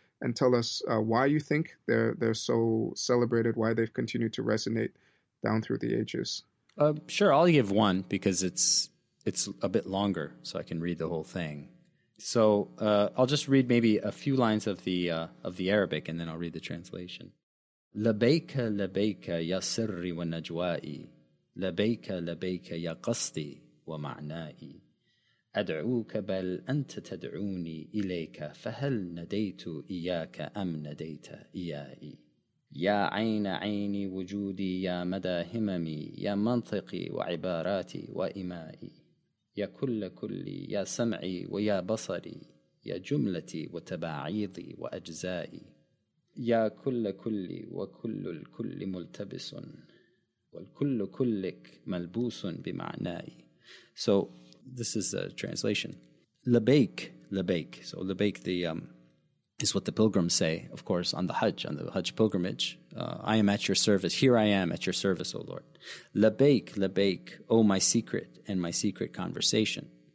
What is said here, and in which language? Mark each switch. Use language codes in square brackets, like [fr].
[en] And tell us why you think they're so celebrated, why they've continued to resonate down through the ages. Sure, I'll give one because it's a bit longer, so I can read the whole thing. So I'll just read maybe a few lines of the Arabic, and then I'll read the translation. [ar] لبيك لبيك يا سري ونجوائي لبيك لبيك يا قصدي ومعنائي أدعوك بل أنت تدعوني إليك فهل نديت إياك أم نديت إيائي يا عين عيني وجودي يا مدى هممي يا منطقي وعباراتي وإمائي يا كل كلي يا سمعي ويا بصري يا جملتي وتباعيضي وأجزائي يا كل كلي وكل الكل ملتبس والكل كلك ملبوس بمعنائي. [en] So this is a translation. Labaik, labaik. So labaik is what the pilgrims say, of course, on the Hajj pilgrimage. I am at your service. Here I am at your service, O Lord. Labaik, labaik, O my secret and my secret conversation.